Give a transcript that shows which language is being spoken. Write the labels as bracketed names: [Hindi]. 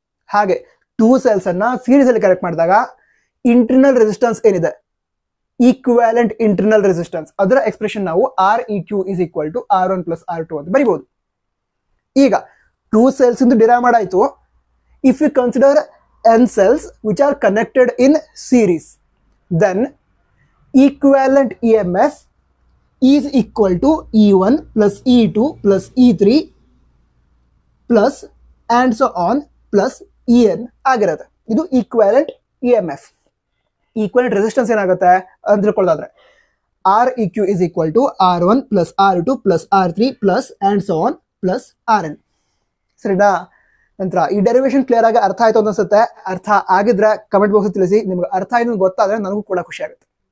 [Kannada] ಹಾಗೆ two cells ಅನ್ನ series ಅಲ್ಲಿ ಕನೆಕ್ಟ್ ಮಾಡಿದಾಗ ಇಂಟರ್ನಲ್ ರೆಸಿಸ್ಟೆನ್ಸ್ ಏನಿದೆ ಈಕ್ವಾಲೆಂಟ್ ಇಂಟರ್ನಲ್ ರೆಸಿಸ್ಟೆನ್ಸ್ ಅದರ ಎಕ್ಸ್ಪ್ರೆಷನ್ ನಾವು R E Q is equal to R one plus R to ಅಂತ ಬರಿಬೋದು. ಈಗ ಟೂ ಸೆಲ್ಸ್ ಇಂದ derive ಮಾಡಾಯ್ತು. [English] If you consider n cells which are connected in series, then equivalent EMF is equal to E1 plus E2 plus E3 plus and so on plus EN ಆಗಿರುತ್ತೆ. [Kannada] ಇದು equivalent EMF. Equivalent resistance ಏನಾಗುತ್ತೆ ಅಂದ್ರೆ R ಇಕ್ಯು is equal to R one plus R to plus R three plus and so on plus R N. ಸರಿನಾ? ನಂತರ ಈ derivation clear ಆಗಿ ಅರ್ಥ ಆಯ್ತು ಅಂತ ಅನ್ಸುತ್ತೆ. ಅರ್ಥ ಆಗಿದ್ರೆ ಕಮೆಂಟ್ ಬಾಕ್ಸ್ ತಿಳಿಸಿ. ನಿಮ್ಗೆ ಅರ್ಥ ಆಯ್ತು ಗೊತ್ತಾದ್ರೆ ನನಗೂ ಕೂಡ ಖುಷಿ ಆಗುತ್ತೆ.